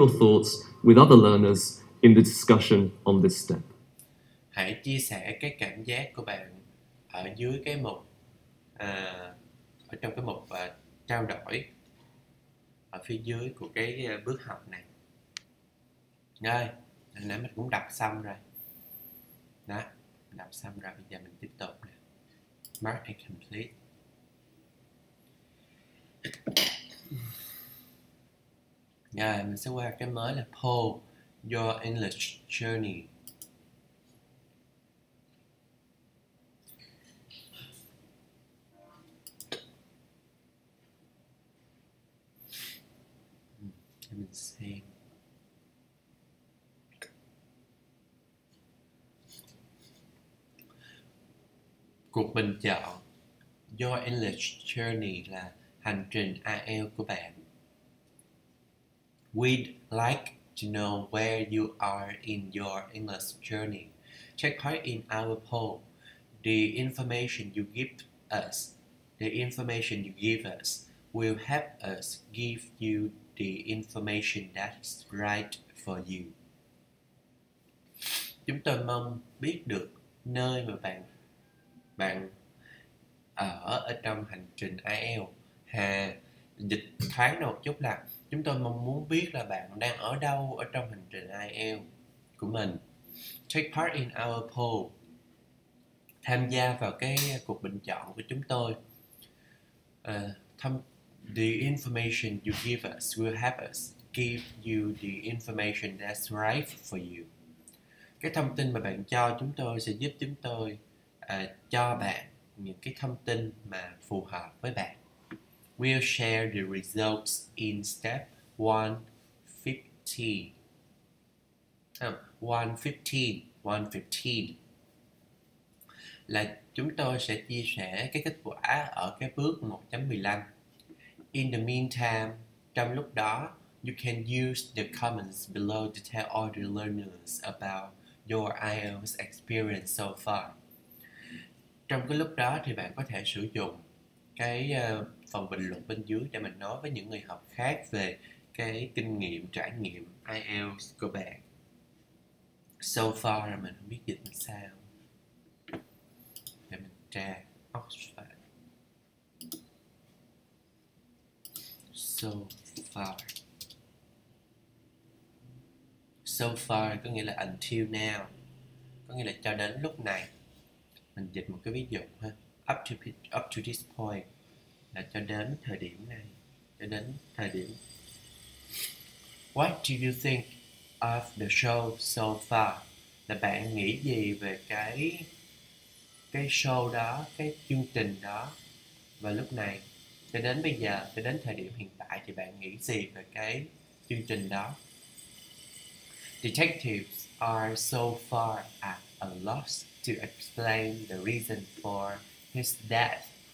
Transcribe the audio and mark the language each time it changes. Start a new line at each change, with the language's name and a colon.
English: Your thoughts with other learners in the discussion on this step.
Vietnamese: Hãy chia sẻ cái cảm giác của bạn ở dưới cái mục ở trong cái mục trao đổi ở phía dưới của cái bước học này. Rồi, nãy mình cũng đọc xong rồi. Đó, đọc xong rồi, bây giờ mình tiếp tục nè.
English: Mark and complete.
Vietnamese: Rồi, mình sẽ qua cái mới là Paul,
English: Your English Journey.
Vietnamese: Mình xem. Cuộc bình chọn
English: Your English Journey
Vietnamese: là hành trình IELTS của bạn.
English: We'd like to know where you are in your English journey. Take part in our poll. The information you give us will help us give you the information that's right for you.
Vietnamese: Chúng tôi mong biết được nơi mà bạn ở trong hành trình IELTS. Hà dịch thoáng một chút là chúng tôi mong muốn biết là bạn đang ở đâu ở trong hành trình IELTS của mình.
English: Take part in our poll.
Vietnamese: Tham gia vào cái cuộc bình chọn của chúng tôi.
English: The information you give us will help us give you the information that's right for you.
Vietnamese: Cái thông tin mà bạn cho chúng tôi sẽ giúp chúng tôi cho bạn những cái thông tin mà phù hợp với bạn.
English: We'll share the results in step 115.
Vietnamese: Là chúng tôi sẽ chia sẻ cái kết quả ở cái bước 1.15.
English: In the meantime,
Vietnamese: trong lúc đó,
English: you can use the comments below to tell all the learners about your IELTS experience so far.
Vietnamese: Trong cái lúc đó thì bạn có thể sử dụng cái phần bình luận bên dưới để mình nói với những người học khác về cái kinh nghiệm, trải nghiệm IELTS của bạn. So far là mình không biết dịch làm sao. Để mình tra Oxford.
English: So far.
Vietnamese: So far có nghĩa là
English: until now.
Vietnamese: Có nghĩa là cho đến lúc này. Mình dịch một cái ví dụ ha.
English: Up to this point.
Vietnamese: Là cho đến thời điểm này, cho đến thời điểm.
English: What do you think of the show so far?
Vietnamese: Là bạn nghĩ gì về cái show đó, cái chương trình đó? Và lúc này, cho đến bây giờ, cho đến thời điểm hiện tại thì bạn nghĩ gì về cái chương trình đó?
English: Detectives are so far at a loss to explain the reason for his death.